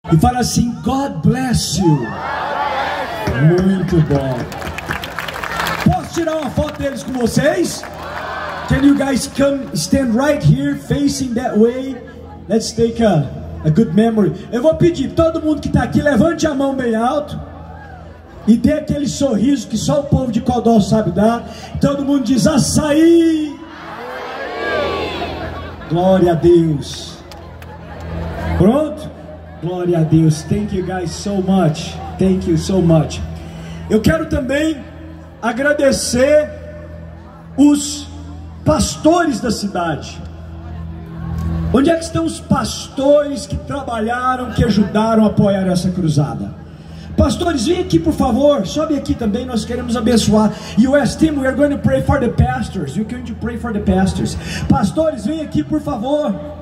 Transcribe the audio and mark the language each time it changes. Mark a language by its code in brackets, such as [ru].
[pt] e fala assim: [en] God bless you. [pt] Muito bom. Posso tirar uma foto deles com vocês? [en] Can you guys come stand right here facing that way? Let's take a good memory. [pt] Eu vou pedir, todo mundo que está aqui, levante a mão bem alto e dê aquele sorriso que só o povo de Codó sabe dar. Todo mundo diz: açaí! Glória a Deus. Pronto? Glória a Deus. [en] Thank you guys so much. Thank you so much. [pt] Eu quero também agradecer os pastores da cidade. Onde é que estão os pastores que trabalharam, que ajudaram a apoiar essa cruzada? Pastores, vem aqui por favor, sobe aqui também, nós queremos abençoar. [en] US team, we are going to pray for the pastors. You're going to pray for the pastors. [pt] Pastores, vem aqui por favor.